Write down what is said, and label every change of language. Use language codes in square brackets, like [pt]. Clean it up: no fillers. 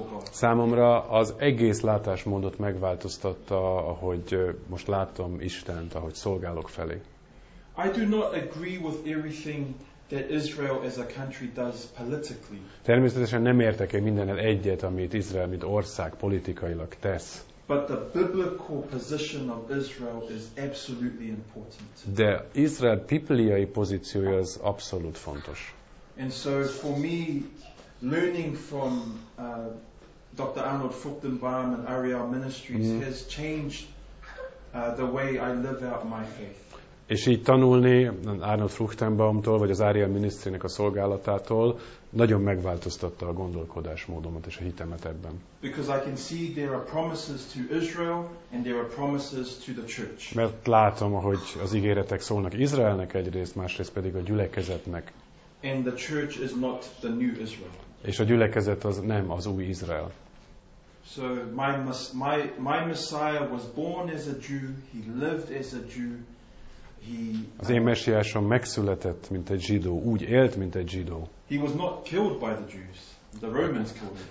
[hu] Számomra az egész látásmódot megváltoztatta, ahogy most látom Istent, ahogy szolgálok felé. [en] I do not agree with everything that Israel as a country does politically. [hu] Természetesen nem értek én mindennel egyet, amit Izrael mint ország politikailag tesz. [en] But the biblical position of Israel is absolutely important. [hu] De Izrael bibliai pozíciója az abszolút fontos. [en] And so for me, learning from Dr. Arnold Fuchtenbaum and Ariel Ministries has changed the way I live out my faith. [hu] És így tanulni Arnold Fuchtenbaumtól vagy az Ariel Ministrynek a szolgálatától nagyon megváltoztatta a gondolkodásmódomat és a hitemet ebben. [en] Because I can see there are promises to Israel and there are promises to the church. [hu] Mert látom, hogy az ígéretek szólnak Izraelnek egyrészt, másrészt pedig a gyülekezetnek. [en] And the church is not the new Israel. [hu] És a gyülekezet az nem az új Izrael. [en] So my Messiah was born as a Jew, he lived as a Jew. [hu] Az én messiásom megszületett, mint egy zsidó, úgy élt, mint egy zsidó. [en] He was not killed by the Jews. The Romans killed him.